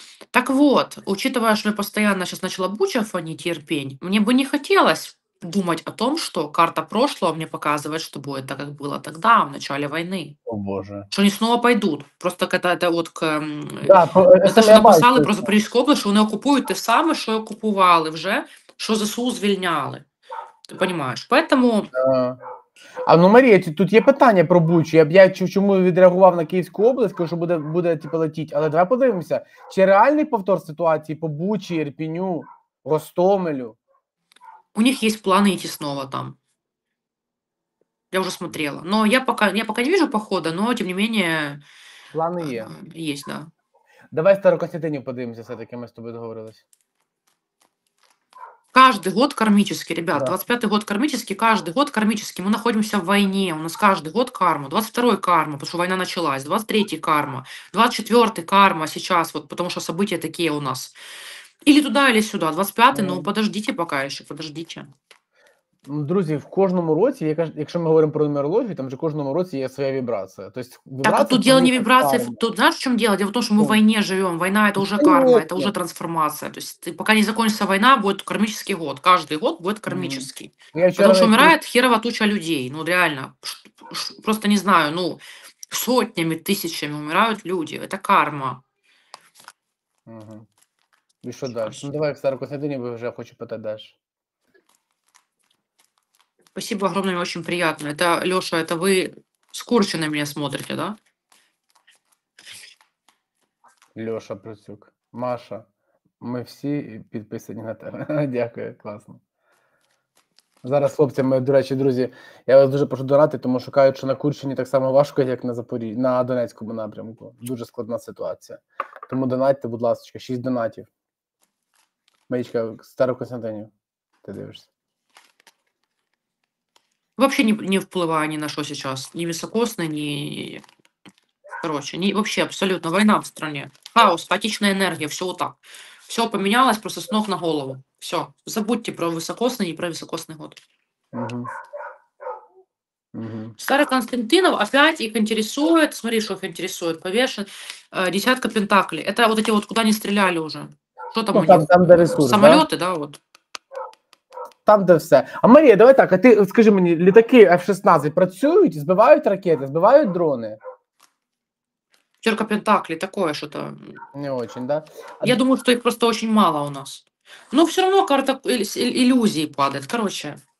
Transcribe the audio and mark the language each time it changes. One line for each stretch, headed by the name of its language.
Russian: Так вот, учитывая, что я постоянно сейчас начала буча фонить и рпень, мне бы не хотелось думать о том, что карта прошлого мне показывает, что будет так, как было тогда, в начале войны. О, Боже. Что они снова пойдут. Просто это вот к... Да, это что написали про Запорізьку область, что они оккупуют те самое, что оккупували уже, что ЗСУ звільняли.
Ukrainian: Ти розумієш? Поэтому... А ну, Марія, тут є питання про Бучу. Я чому відреагував на Київську область, що буде типу, летіти. Але давай подивимося, чи реальний повтор ситуації по Бучі, Ірпіню, Гостомелю? У них є плани йти знову там. Я вже смотрела.
Russian: Но я поки не вижу походу, но тим не менее...
Ukrainian: Плани є. Є, да. Давай Стару Константинів подивимося, все-таки ми з тобою договорились.
Russian: Каждый год кармический, ребят, да. 25-й год кармический, каждый год кармический, мы находимся в войне, у нас каждый год карма, 22-й карма, потому что война началась, 23-й карма, 24-й карма сейчас, вот, потому что события такие у нас. Или туда, или сюда, 25-й, ну подождите пока еще, подождите.
Ukrainian: Друзі, в кожному році, якщо ми говоримо про нумерологію, там же в кожному році є своя вібрація. Тобто, вібрація так, тут діло не вібрація, тут знаєш, в чому діло? Діло в тому, що ми в війні живемо, війна – це вже карма, це вже трансформація. Тобто, поки не закінчиться війна, буде кармічний год, кожен год буде кармічний. Тому що вмирає херова туча людей, ну реально, просто не знаю, ну сотнями, тисячами вмирають люди, це карма. Угу. І що далі? Ну давай, Стару Константинів, я вже хочу питати далі.
Russian: Спасибо огромное, очень приятно. Это, Лёша, это вы с Курчей на меня смотрите, да? Лёша Працюк. Маша, мы все подписаны на тебя.
Ukrainian: Дякую, классно. Зараз, хлопці, мої дорогі друзі, я вас дуже прошу донати, тому шукаю, що на Курщині так само важко, як на Запоріжжі, на Донецькому напрямку. Дуже складна ситуація. Тому донатьте, будь ласка, 6 донатів. Маєчка, Стару Константинів, ти дивишся.
Russian: Вообще не вплываю ни на что сейчас. Ни високосно, ни... Короче, ни... вообще абсолютно. Война в стране. Хаос, хаотичная энергия. Все вот так. Все поменялось просто с ног на голову. Все. Забудьте про високосный и про високосный год. Угу. Старый Константинов опять их интересует. Смотри, что их интересует. Повешен. Десятка пентаклей. Это вот эти вот, куда они стреляли уже. Что там, ну, у там, них? Там до ресурса. Самолеты, да, вот. Там, де все.
Ukrainian: А Марія, давай так, а ти скажи мені, літаки F-16 працюють, збивають ракети, збивають дрони? Чорка пентаклі, таке що-то. Не дуже, да? Я думаю, що їх просто дуже мало у нас. Ну, все одно карта ілюзії падає, коротше.